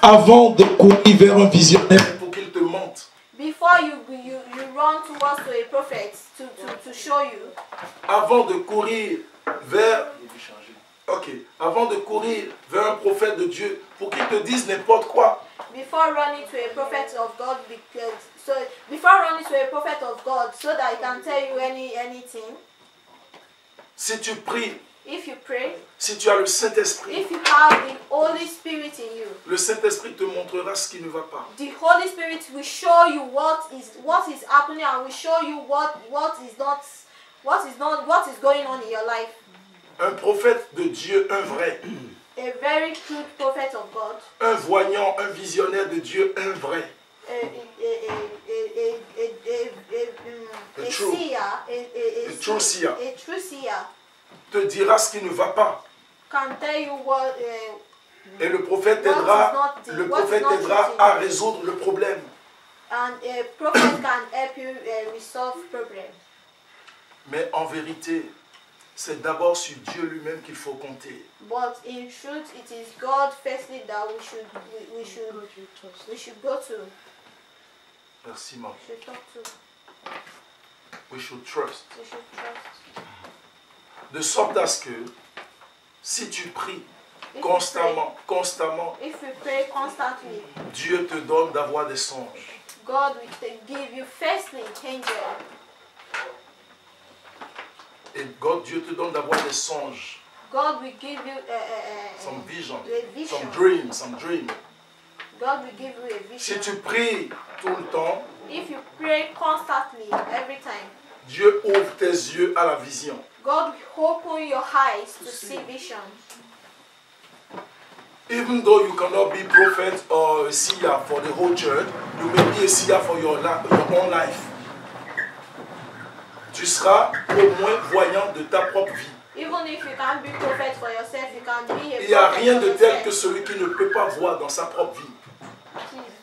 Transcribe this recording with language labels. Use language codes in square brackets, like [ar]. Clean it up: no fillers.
[fr] Avant de courir vers un visionnaire pour qu'il te montre. [en] Before you run towards to a prophet to show you. [fr] Avant de courir vers. Ok. Avant de courir vers un prophète de Dieu pour qu'il te dise n'importe quoi. [en] Before running to a prophet of God so that he can tell you anything. [fr] Si tu pries [en] If you pray, [fr] si tu as le Saint-Esprit, [en] if you have the Holy Spirit in you, [fr] le Saint-Esprit te montrera ce qui ne va pas. [en] The Holy Spirit will show you what is happening and will show you what is going on in your life. [fr] Un prophète de Dieu, un vrai. [en] A very true prophet of God. [fr] Un voyant, un visionnaire de Dieu, un vrai. [en] A true seer. [fr] Te dira ce qui ne va pas. [en] Can tell you what, [fr] et le prophète aidera, le prophète aidera à résoudre le problème. [en] And a prophet can help you resolve problems. [fr] Mais en vérité, c'est d'abord sur Dieu lui-même qu'il faut compter. [en] But in truth, it is God firstly that we should go to. [fr] Merci, maman. [en] We should trust. [fr] De sorte à ce que si tu pries constamment, [en] if you pray constantly, [fr] Dieu te donne d'avoir des songes. [en] God will give you firstly angels. [fr] Et God, Dieu te donne d'avoir des songes. [en] God will give you some vision. Some dream. God will give you a vision. Si tu pries tout le temps, if you pray constantly every time, Dieu ouvre tes yeux à la vision. God will open your eyes to see vision. Even though you cannot be prophet or seer for the whole church, you may be a seer for your own life. [fr] Tu seras au moins voyant de ta propre vie. [en] Even if you can't be prophet for yourself, you can be a prophet. [fr] Il n'y a rien de tel que celui qui ne peut pas voir dans sa propre vie.